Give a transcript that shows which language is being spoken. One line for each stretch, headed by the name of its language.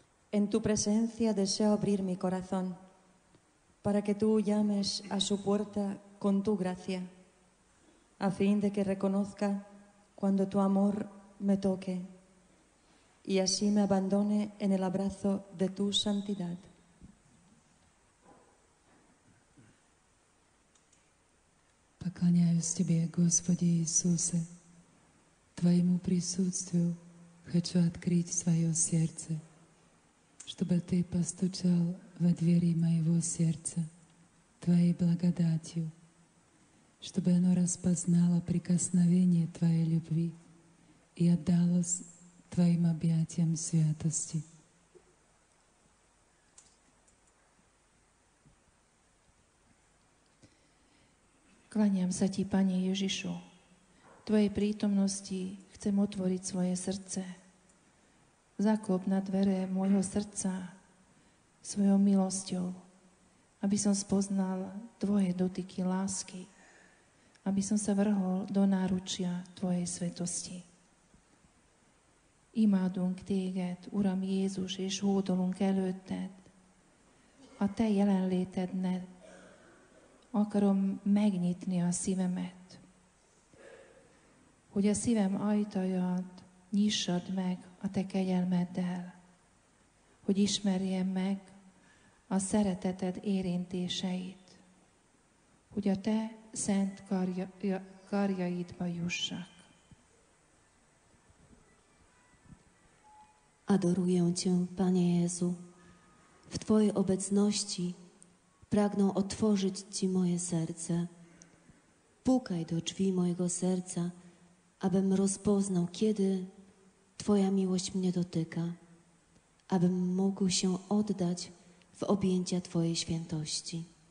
Spanish: En tu presencia deseo abrir mi corazón para que tú llames a su puerta con tu gracia, a fin de que reconozca cuando tu amor me toque y así me abandone en el abrazo de tu santidad.
Russian: Поклоняюсь Тебе, Господи Иисусе, Твоему присутствию хочу открыть свое сердце, чтобы Ты постучал во двери моего сердца Твоей благодатью, чтобы оно распознало прикосновение Твоей любви и отдалось Твоим объятиям святости.
Slovak: Kláňam sa Ti, Pane Ježišu. Tvojej prítomnosti chcem otvoriť svoje srdce. Zaklop na dvere môjho srdca svojou milosťou, aby som spoznal Tvoje dotyky lásky, aby som sa vrhol do náručia Tvojej svetosti.
Hungarian: Imádunk Téged, Uram Jézus, és hódolunk előtted. A Te jelenlétednek akarom megnyitni a szívemet, hogy a szívem ajtaját nyissad meg a Te kegyelmeddel, hogy ismerjem meg a szereteted érintéseit, hogy a te szent karjaidba jussak.
Polish: Adoruję Cię, Panie Jezu, w Twojej obecności pragnę otworzyć Ci moje serce. Pukaj do drzwi mojego serca, abym rozpoznał, kiedy Twoja miłość mnie dotyka, abym mógł się oddać w objęcia Twojej świętości.